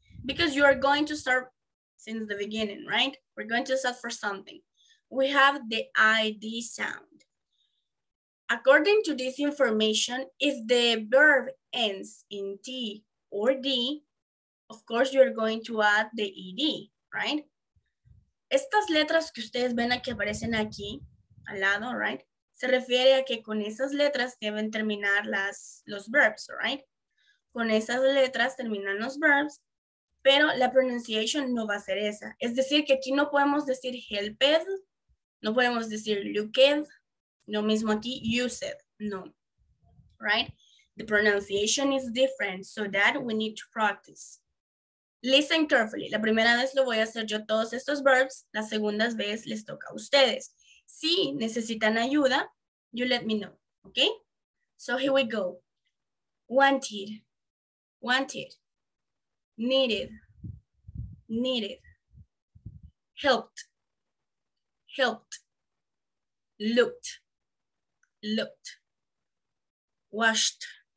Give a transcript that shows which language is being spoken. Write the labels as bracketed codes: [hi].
[en] Because you are going to start since the beginning, right? We're going to start for something. We have the ID sound. According to this information, if the verb ends in T or D, of course you're going to add the ED, right? [es] Estas letras que ustedes ven aquí aparecen aquí al lado, right? Se refiere a que con esas letras deben terminar los verbs, right? Con esas letras terminan los verbs, pero la pronunciation no va a ser esa. Es decir, que aquí no podemos decir helped, no podemos decir looked, lo mismo aquí, used, no, right? [en] The pronunciation is different, so that we need to practice. Listen carefully. [es] La primera vez lo voy a hacer yo todos estos verbs, la segunda vez les toca a ustedes. Si necesitan ayuda, [en] you let me know, okay? So here we go. Wanted, needed, helped, looked, washed.